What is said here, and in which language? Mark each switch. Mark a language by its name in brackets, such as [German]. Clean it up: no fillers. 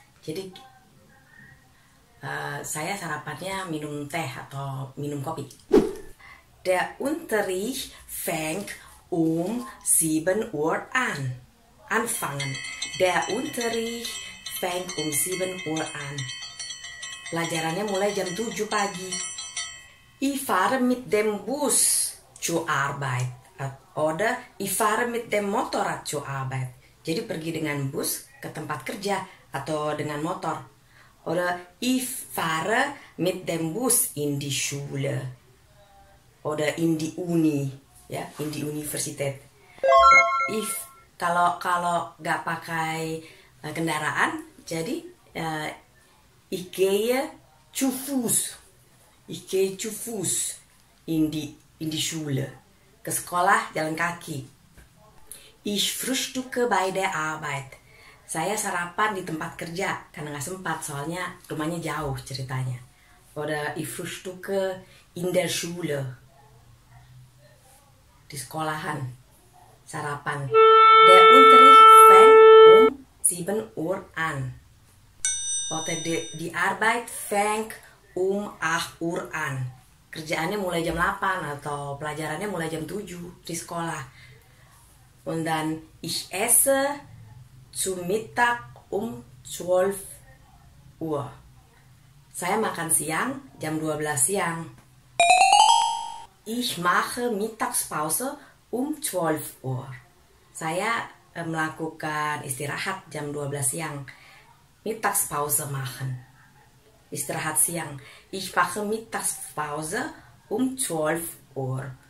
[Indonesian] Jadi, saya sarapannya minum teh atau minum kopi. [German] Der Unterricht fängt 7 Uhr an. Anfangen. Der Unterricht fängt 7 Uhr an. [Indonesian] Pelajarannya mulai jam 7 pagi. [German] Ich fahre mit dem Bus zur Arbeit. Oder ich fahre mit dem Motorrad zur Arbeit. [Indonesian] Jadi pergi dengan bus ke tempat kerja atau dengan motor. [German] Oder ich fahre mit dem Bus in die Schule. Oder in die Uni, ya, in die Universität. [Indonesian] If kalau enggak pakai kendaraan, jadi [German] ich gehe zu Fuß in die Schule. [Indonesian] Ke sekolah jalan kaki. [German] Ich frühstücke bei der Arbeit. [Indonesian] Saya sarapan di tempat kerja karena nggak sempat soalnya rumahnya jauh ceritanya. [German] Oder ich frühstücke in der Schule. [Indonesian] Di sekolahan sarapan. [German] Der Unterricht fängt 7 Uhr an. Oder die Arbeit fängt 8 Uhr an. [Indonesian] Kerjaannya mulai jam 8 atau pelajarannya mulai jam 7 di sekolah. [German] Und dann ich esse zu Mittag 12 Uhr. [Indonesian] Saya makan siang jam 12 siang. [German] Ich mache Mittagspause 12 Uhr. [Indonesian] Saya melakukan istirahat jam 12 siang. [German] Mittagspause machen. [Indonesian] Istirahat siang. [German] Ich mache Mittagspause 12 Uhr.